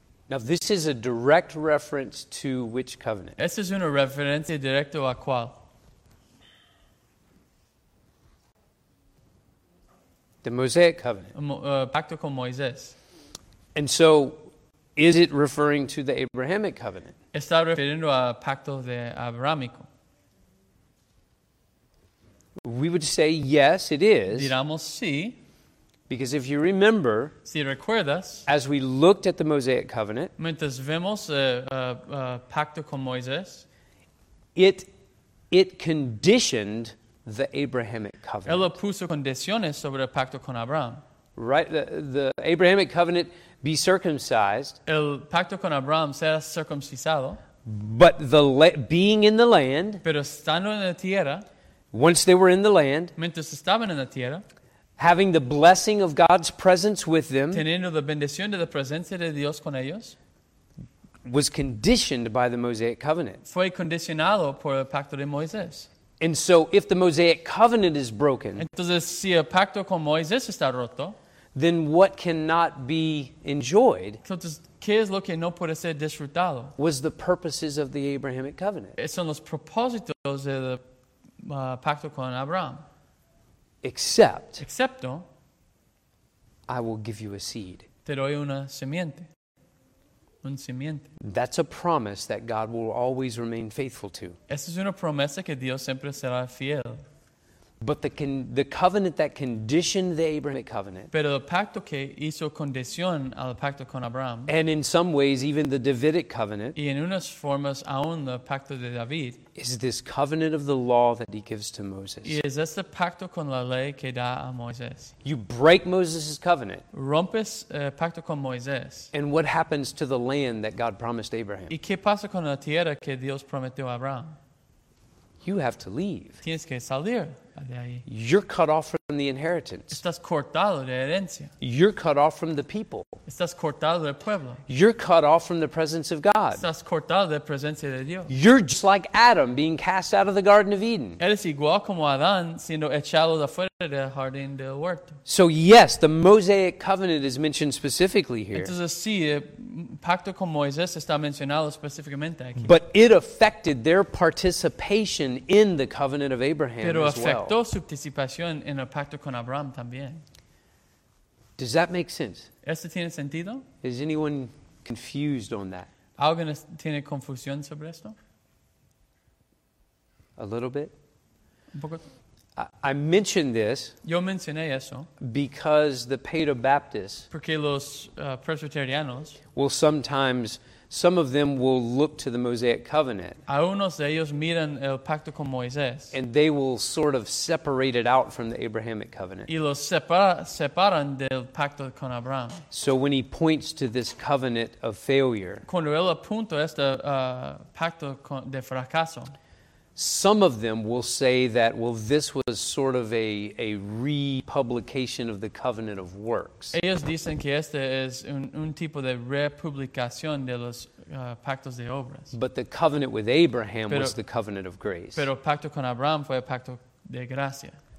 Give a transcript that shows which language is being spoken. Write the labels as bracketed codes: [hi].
[en] Now this is a direct reference to which covenant? [es] Esta es una referencia directa a cuál? [en] The Mosaic covenant. [es] Pacto con Moisés. [en] And so, is it referring to the Abrahamic covenant? [es] Está refiriendo a pacto de Abrahamico. [en] We would say yes, it is. [es] Diramos sí. [en] Because if you remember, [es] si recuerdas, [en] as we looked at the Mosaic Covenant, [es] mientras vemos pacto con Moisés, [en] it conditioned the Abrahamic Covenant. [es] Él puso condiciones sobre el pacto con Abraham. [en] Right, the Abrahamic Covenant, be circumcised. [es] El pacto con Abraham será circuncisado. [en] But the being in the land, [es] pero estando en la tierra, [en] once they were in the land, [es] mientras estaban en la tierra, [en] having the blessing of God's presence with them, [es] teniendo la bendición de la presencia de Dios con ellos, [en] was conditioned by the Mosaic Covenant. [es] Fue condicionado por el pacto de Moisés. [en] And so if the Mosaic Covenant is broken, [es] entonces, si el pacto con Moisés está roto, [en] then what cannot be enjoyed, [es] entonces, ¿qué es lo que no puede ser disfrutado? [en] Was the purposes of the Abrahamic Covenant. [es] Son los propósitos del pacto con Abraham. Excepto, [en] I will give you a seed. [es] Te doy una semiente. Un simiente. [en] That's a promise that God will always remain faithful to. [es] Esa es una promesa que Dios siempre será fiel. [en] But the covenant that conditioned the Abrahamic covenant. [es] Pero el pacto que hizo condición al pacto con Abraham. [en] And in some ways, even the Davidic covenant. [es] Y en unas formas aún el pacto de David. [en] Is this covenant of the law that he gives to Moses. [es] Y es este pacto con la ley que da a Moisés. [en] You break Moses' covenant. [es] Rompes el pacto con Moisés. [en] And what happens to the land that God promised Abraham? [es] Y qué pasa con la tierra que Dios prometió a Abraham? [en] You have to leave. [es] Tienes que salir. [en] You're cut off from the inheritance. [es] Estás cortado de herencia. [en] You're cut off from the people. [es] Estás cortado del pueblo. [en] You're cut off from the presence of God. [es] Estás cortado de presencia de Dios. [en] You're just like Adam being cast out of the Garden of Eden. [es] Eres igual como Adán siendo echado de fuera del jardín del huerto. [en] So yes, the Mosaic Covenant is mentioned specifically here. [es] Entonces sí, el pacto con Moisés está mencionado específicamente aquí. [en] But it affected their participation in the covenant of Abraham [es] pero [en] as well. [es] Afectó su participación en el pacto con Abraham también. [en] Does that make sense? [es] ¿Esto tiene sentido? [en] Is anyone confused on that? [es] ¿Alguien tiene confusión sobre esto? [en] A little bit. [es] Un poco. [en] I mentioned this. [es] Yo mencioné eso. [en] Because the Paedobaptists. [es] Porque los presbiterianos. [en] Will sometimes. Some of them will look to the Mosaic Covenant. [es] Algunos de ellos miran el pacto con Moisés. [en] And they will sort of separate it out from the Abrahamic Covenant. [es] Y los separan del pacto con Abraham. [en] So when he points to this covenant of failure. [es] Cuando él apunta este pacto de fracaso. [en] Some of them will say that, well, this was sort of a republication of the covenant of works. [es] Ellos dicen que este es un tipo de republicación de los pactos de obras. [en] But the covenant with Abraham was the covenant of grace. [es] Pero pacto con Abraham fue el pacto de gracia.